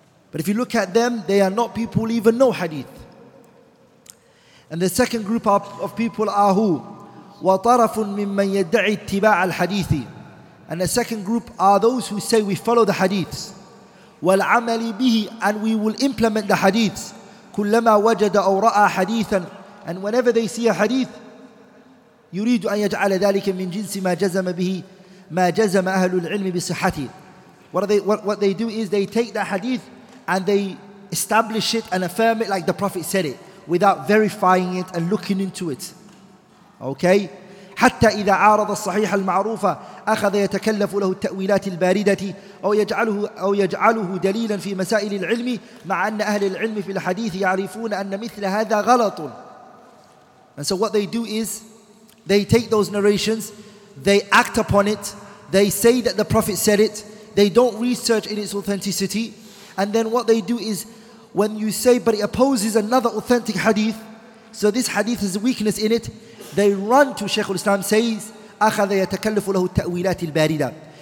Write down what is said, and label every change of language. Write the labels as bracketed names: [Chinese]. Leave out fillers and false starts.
[English] But if you look at them, they are not people who even know hadith. And the second group of people are who? [Arabic] وَطَرَفٌ مِمَّنْ يَدَّعِي اتِّبَاعَ الْحَدِيثِ. [English] And the second group are those who say we follow the hadiths. [Arabic] وَالْعَمَلِ بِهِ, [English] and we will implement the hadiths. [Arabic] كُلَّمَا وَجَدَ أَوْ رَأَى حَدِيثًا, [English] and whenever they see a hadith, [Arabic] يُرِيدُ أَنْ يَجْعَلَ ذَلِكَ مِنْ جِنْسِ مَا جَزَمَ بِهِ مَا جَزَمَ أَهْلُ الْعِلْمِ بِصِحَّتِهِ. [English] What they do is they take the hadith and they establish it and affirm it like the Prophet said it, without verifying it and looking into it. Okay, [Arabic] حتى إذا عارض الصحيح المعروف أخذ يتكلف له التأويلات الباردة أو يجعله دليلا في مسائل العلم مع أن أهل العلم في الحديث يعرفون أن مثل هذا غلط. [English] And so what they do is they take those narrations, they act upon it, they say that the Prophet said it, they don't research in its authenticity, and then what they do is when you say but it opposes another authentic hadith, so this hadith has a weakness in it, they run to Shaykh al-Islam says, [Arabic] أَخَذَ يَتَكَلَّفُ لَهُ التَّأْوِيلَاتِ الْبَارِدَةِ.